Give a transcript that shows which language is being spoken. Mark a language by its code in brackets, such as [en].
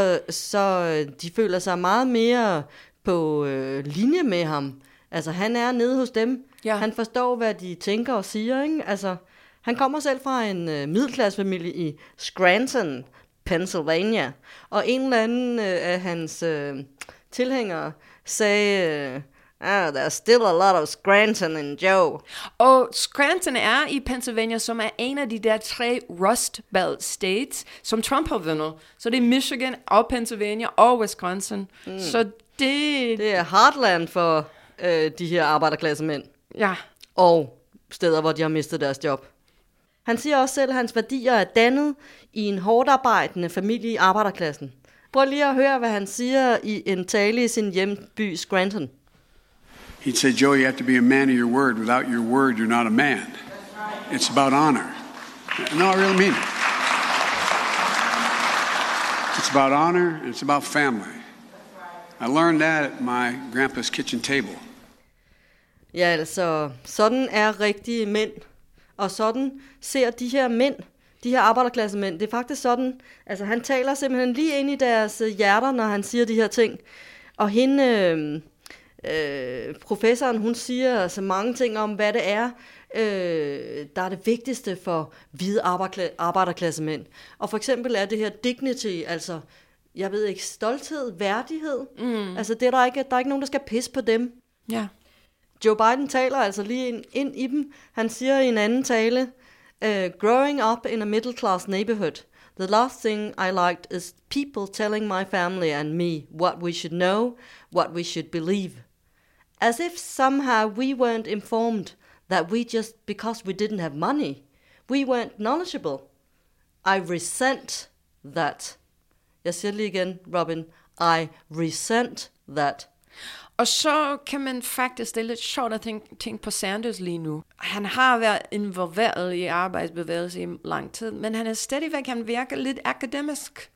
[da] Så de føler sig meget mere på linje med ham. Altså, han er nede hos dem. Ja. Han forstår, hvad de tænker og siger, ikke? Altså, han kommer selv fra en middelklassefamilie i Scranton, Pennsylvania. Og en eller anden af hans tilhængere sagde... [en] Ah, there's still a lot of Scranton and Joe. [da] Og Scranton er i Pennsylvania, som er en af de der 3 Rust Belt states, som Trump har vundet. Så det er Michigan og Pennsylvania og Wisconsin. Så det er heartland for de her arbejderklassemænd. Ja. Og steder, hvor de har mistet deres job. Han siger også selv, at hans værdier er dannet i en hårdarbejdende familie i arbejderklassen. Prøv lige at høre, hvad han siger i en tale i sin hjemby Scranton. [en] He said, Joe, you have to be a man of your word. Without your word, you're not a man. Right. It's about honor. No, I really mean it. It's about honor, and it's about family. I learned that at my grandpa's kitchen table. [da] Ja, altså, sådan er rigtige mænd. Og sådan ser de her mænd, de her arbejderklasse mænd. Det er faktisk sådan, altså han taler simpelthen lige ind i deres hjerter, når han siger de her ting. Og hende... professoren, hun siger altså mange ting om, hvad det er, der er det vigtigste for hvide arbejderklasse mænd. Og for eksempel er det her dignity, altså, jeg ved ikke, stolthed, værdighed. Mm. Altså, det er der er ikke nogen, der skal pisse på dem. Ja. Joe Biden taler altså lige ind i dem. Han siger i en anden tale, [en] growing up in a middle class neighborhood, the last thing I liked is people telling my family and me what we should know, what we should believe. As if somehow we weren't informed that we just, because we didn't have money, we weren't knowledgeable. I resent that. [da] Jeg siger lige igen, Robin. [en] I resent that. [da] Og så kan man faktisk, det er lidt sjovt at tænke på Sanders lige nu. Han har været involveret i arbejdsbevægelse i lang tid, men han er stadigvæk, han virker lidt akademisk.